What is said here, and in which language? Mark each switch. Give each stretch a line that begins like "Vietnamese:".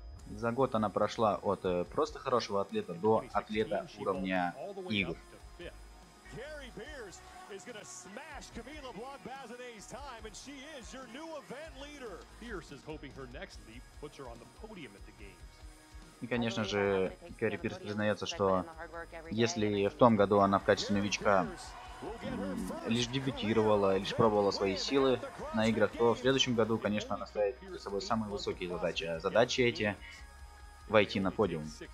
Russian: За год она прошла от просто хорошего атлета до атлета уровня игр.
English: Carrie Pierce is going to smash Camila Blanc-Bazinet's time, and she is your new event leader. Pierce is hoping her next leap puts her on the podium at the Games.
Russian: И, конечно же, Кэрри Пирс признается, что если в том году она в качестве новичка лишь дебютировала, лишь пробовала свои силы на играх, то в следующем году, конечно, она ставит перед собой самые высокие задачи. Задачи эти — войти на подиум.